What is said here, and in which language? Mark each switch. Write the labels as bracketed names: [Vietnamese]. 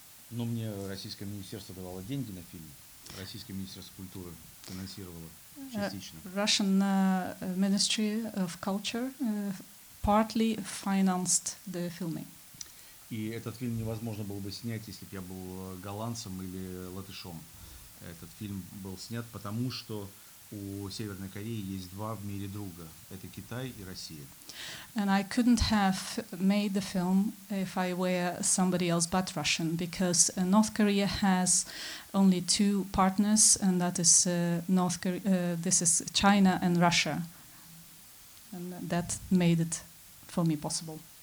[Russian] Но мне российское министерство давало деньги на фильм. Российское министерство культуры финансировало частично. [English] Russian Ministry of Culture partly financed the filming. [Russian] И этот фильм невозможно было бы снять, если бы я был голландцем или латышом. Этот фильм был снят, потому что у Северной Кореи есть два в мире друга. Это Китай и Россия. [English] And I couldn't have made the film if I were somebody else but Russian, because North Korea has only two partners, and that is North Korea. This is China and Russia, and that made it for me possible.